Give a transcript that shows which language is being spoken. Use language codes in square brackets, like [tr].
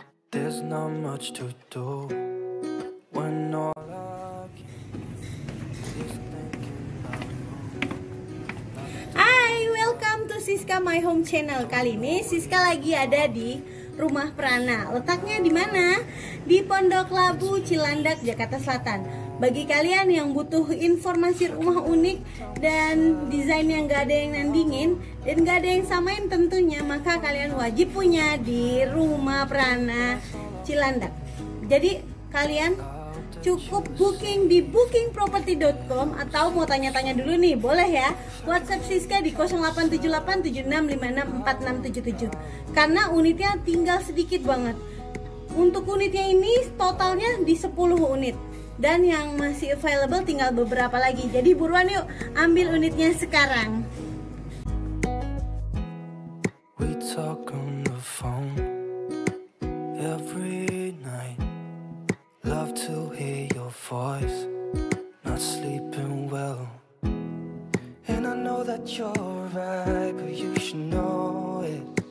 [en] There's not much to do when all I can is thinking about home. Hi, welcome to Siska My Home Channel. [id] Kali ini Siska lagi ada di rumah Prana. Letaknya di mana? Di Pondok Labu, Cilandak, Jakarta Selatan. Bagi kalian yang butuh informasi rumah unik dan desain yang gak ada yang nandingin dan gak ada yang samain tentunya, maka kalian wajib punya di rumah Prana Cilandak. Jadi kalian cukup booking di bookingproperty.com atau mau tanya-tanya dulu nih, boleh ya. WhatsApp Siska di 0878-7656-4677. Karena unitnya tinggal sedikit banget. Untuk unitnya ini totalnya di 10 unit. Dan yang masih available tinggal beberapa lagi. Jadi buruan yuk ambil unitnya sekarang. [en] We talk on the phone every night. Love to hear your voice. Not sleeping well. And I know that you're right, but you should know it.